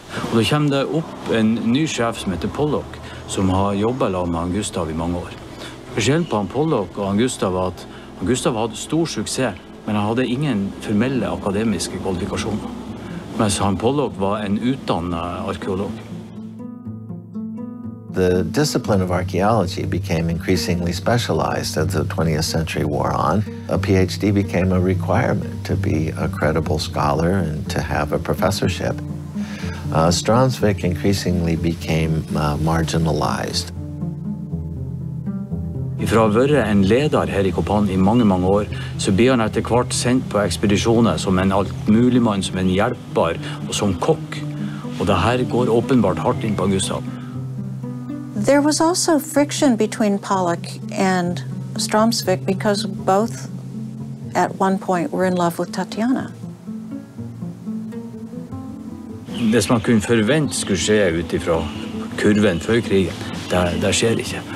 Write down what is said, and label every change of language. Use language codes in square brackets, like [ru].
[no] Og da kommer det opp en ny sjef som heter Pollock, som har jobbet med Gustav i mange år. Forskjellen på Pollock og Gustav var at Gustav hadde stor suksess, men han hadde ingen formelle akademiske kvalifikasjoner. Mens Pollock var en utdannet arkeolog. [en] The discipline of archaeology became increasingly specialized as the 20th century wore on. A PhD became a requirement to be a credible scholar and to have a professorship. Strømsvik increasingly became marginalized. [no] Fra å være en leder her i Copan i mange, mange år, så blir han etter hvert sendt på ekspedisjoner som en altmulig mann, som en hjelper og som kokk. Og det her går åpenbart hardt inn på Gustav. [en] There was also friction between Pollock and Strømsvik because both at one point were in love with Tatiana. [no] Det som man kunne forvente skulle skje utifra kurven før krigen, det skjer ikke.